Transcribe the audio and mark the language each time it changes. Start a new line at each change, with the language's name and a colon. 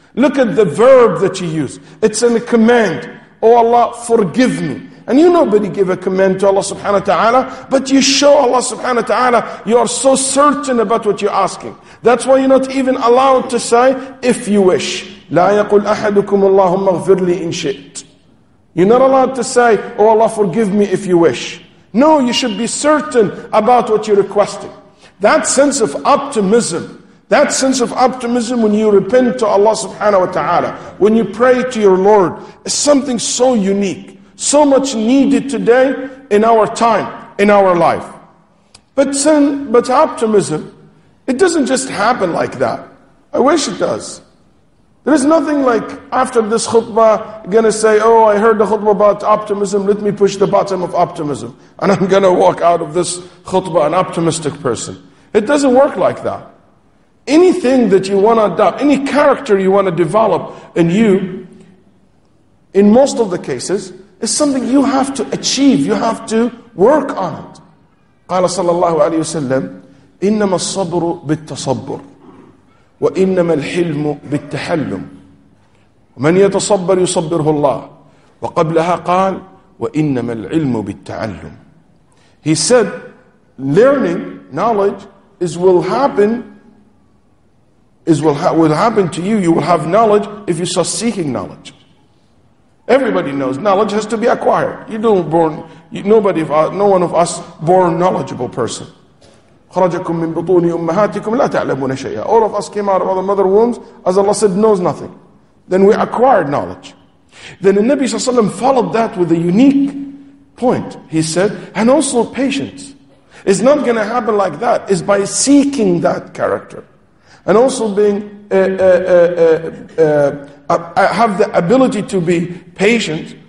English: Look at the verb that you use. It's in a command. Oh Allah, forgive me. And you nobody give a command to Allah subhanahu wa ta'ala, but you show Allah subhanahu wa ta'ala you are so certain about what you're asking. That's why you're not even allowed to say, if you wish.
Arabic: لا يقول أحدكم اللهم اغفر لي إن شئت.
English: You're not allowed to say, oh Allah, forgive me if you wish. No, you should be certain about what you're requesting. That sense of optimism when you repent to Allah subhanahu wa ta'ala, when you pray to your Lord, is something so unique, so much needed today in our time, in our life. But optimism, it doesn't just happen like that. I wish it does. There is nothing like after this khutbah, going to say, oh, I heard the khutbah about optimism, let me push the button of optimism, and I'm going to walk out of this khutbah an optimistic person. It doesn't work like that. Anything that you want to adopt, any character you want to develop in you, in most of the cases, is something you have to achieve, you have to work on it.
Arabic: قال صلى الله عليه وسلم, إنما الصبر بالتصبر. وإنما الحلم بالتحلم ومن يتصبر يصبره الله وقبلها قال وإنما العلم بالتعلم.
English: He said, learning, knowledge will happen to you. You will have knowledge if you start seeking knowledge. Everybody knows knowledge has to be acquired. No one of us born knowledgeable person.
Arabic: خرجكم من بطون أمهاتكم لا تعلمون شيئا.
English: All of us came out of our mother wombs, as Allah said, knows nothing. Then we acquired knowledge. Then the Nabi sallallahu alaihi wasallam followed that with a unique point. He said, and also patience. It's not going to happen like that. It's by seeking that character, and also being have the ability to be patient.